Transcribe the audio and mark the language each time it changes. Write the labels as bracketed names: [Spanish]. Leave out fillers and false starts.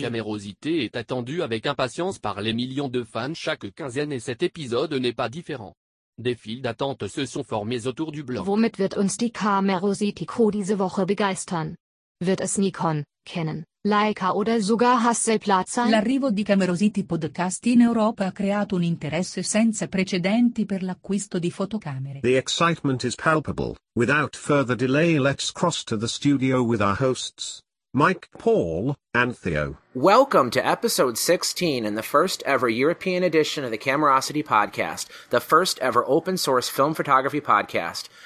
[French] La Camerosité est attendue avec impatience par les millions de fans chaque quinzaine et cet épisode n'est pas différent. Des files d'attente se sont formées autour du bloc. [German] Womit wird uns die Camerosity crew diese Woche begeistern? Wird es Nikon, Canon, Leica oder sogar Hasselblad sein? [Italian] L'arrivo di Camerosity Podcast in Europa ha creato un interesse senza precedenti per l'acquisto di fotocamere. [English] The excitement is palpable. Without further delay, let's cross to the studio with our hosts, Mike, Paul, and Theo. Welcome to episode 16 in the first ever European edition of the Camerosity Podcast, the first ever open source film photography podcast.